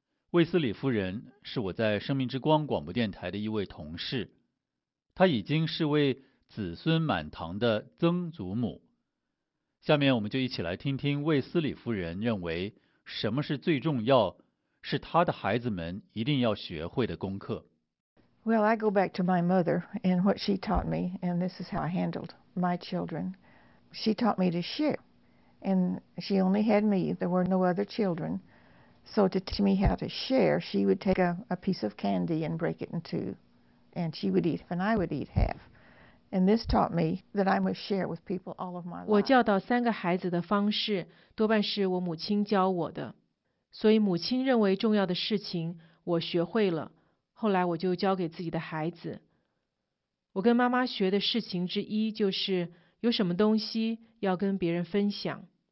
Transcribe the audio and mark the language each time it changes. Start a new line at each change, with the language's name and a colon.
Chinese: 卫斯理夫人是我在生命之光广播电台的一位同事，她已经是位子孙满堂的曾祖母。下面我们就一起来听听卫斯理夫人认为什么是最重要，是她的孩子们一定要学会的功课。
English: Well, I go back to my mother and what she taught me, and this is how I handled my children. She taught me to share, and she only had me. There were no other children. So to teach me how to share, she would take a piece of candy and break it in two, and she would eat, and I would eat half. And this taught me that I must share with people all of my life.
Chinese: 我教导三个孩子的方式多半是我母亲教我的，所以母亲认为重要的事情我学会了。后来我就教给自己的孩子，我跟妈妈学的事情之一就是有什么东西要跟别人分享。